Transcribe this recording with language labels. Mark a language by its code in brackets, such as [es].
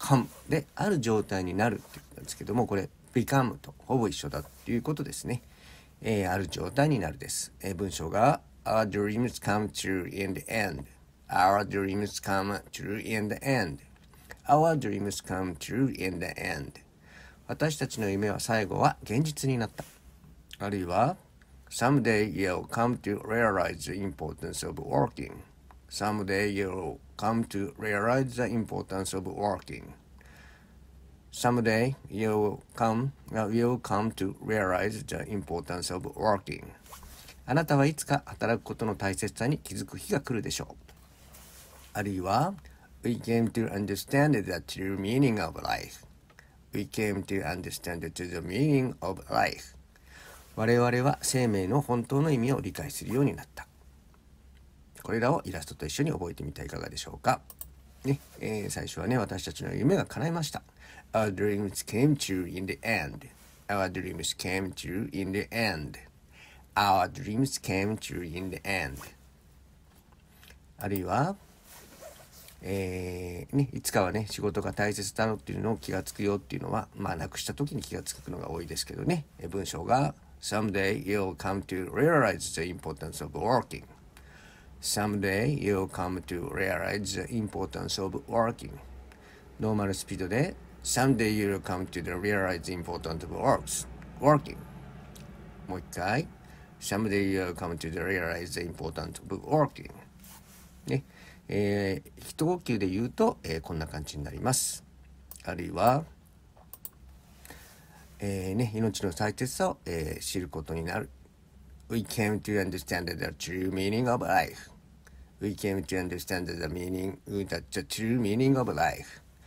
[ja] come である状態になるって言ったんですけども、これ become とほぼ一緒だということですね、ある状態になるです、文章が [en] Our dreams come true in the end. Our dreams come true in the end. Our dreams come true in the end. [ja] 私たちの夢は最後は現実になった。あるいは [en] Someday you'll come to realize the importance of working. Someday you'll come to realize the importance of working. Someday you will come to realize the importance of working. [ja] あなたはいつか働くことの大切さに気づく日が来るでしょう。あるいは [en] We came to understand the true meaning of life. We came to understand the meaning of life. [ja] 我々は生命の本当の意味を理解するようになった。これらをイラストと一緒に覚えてみてはいかがでしょうか。ね、最初はね、私たちの夢が叶いました。 [en] Our dreams came true in the end. Our dreams came true in the end. Our dreams came true in the end. [ja] あるいは、ね、いつかはね、仕事が大切だろうっていうのを気がつくよっていうのは、まあ、なくした時に気がつくのが多いですけどね。文章が、 [en] Someday you'll come to realize the importance of working. Someday you'll come to realize the importance of working. [ja] ノーマルスピードで [en] Someday you'll come to realize the importance of working. [ja] もう一回 [en] Someday you'll come to realize the importance of working. [ja] ね、一呼吸で言うと、こんな感じになります。あるいは、ね、命の大切さを、知ることになる。 [en] We came to understand the true meaning of life. We came to understand the meaning, the true meaning of life.